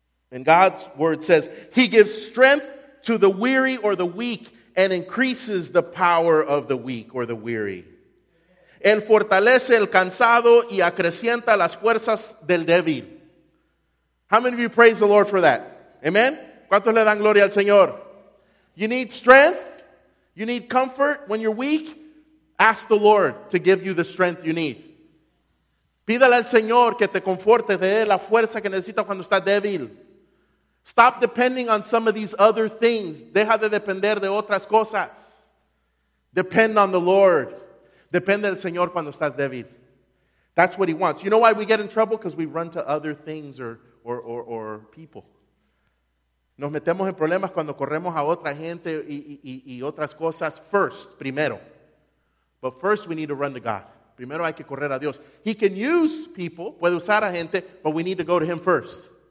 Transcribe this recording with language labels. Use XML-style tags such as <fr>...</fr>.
<en>And God's word says, He gives strength to the weary or the weak and increases the power of the weak or the weary.</en> <es>Él fortalece el cansado y acrecienta las fuerzas del débil.</es> <en>How many of you praise the Lord for that?</en> <es>Amen? ¿Cuántos le dan gloria al Señor?</es> <en>You need strength. You need comfort when you're weak. Ask the Lord to give you the strength you need.</en> <es>Pídale al Señor que te conforte, te dé la fuerza que necesita cuando está débil.</es> <en>Stop depending on some of these other things.</en> <es>Deja de depender de otras cosas.</es> <en>Depend on the Lord.</en> <es>Depende del Señor cuando estás débil.</es> <en>That's what He wants. You know why we get in trouble? Because we run to other things or people.</en> <es>Nos metemos en problemas cuando corremos a otra gente y otras cosas</es> <en>first,</en> <es>primero.</es> <en>But first we need to run to God.</en> <es>Primero hay que correr a Dios.</es> <en>He can use people,</en> <es>puede usar a gente,</es> <en>but we need to go to Him first.</en>